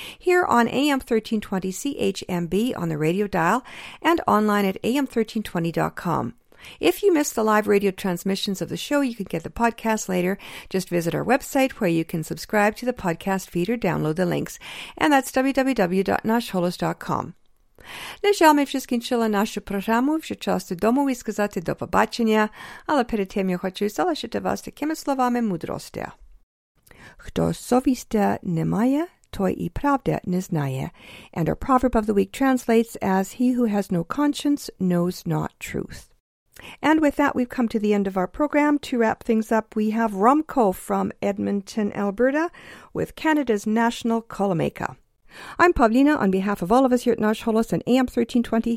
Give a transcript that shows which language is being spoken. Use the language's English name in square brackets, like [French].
[English] here on AM 1320 CHMB on the radio dial and online at am1320.com. If you missed the live radio transmissions of the show, you can get the podcast later. Just visit our website where you can subscribe to the podcast feed or download the links. And that's www.nashholos.com. [Ukrainian] На жаль, ми вже скінчили нашу програму, вже час додому і сказати до побачення, але перед тим я хочу залишити вас такими словами мудрості. Хто совісті не має, той і правди не знає. [English] And our proverb of the week translates as, he who has no conscience knows not truth. And with that, we've come to the end of our program. To wrap things up, we have Romko from Edmonton, Alberta, with Canada's National Kolomeka. I'm Pavlina, on behalf of all of us here at Nash Holos and AM 1320.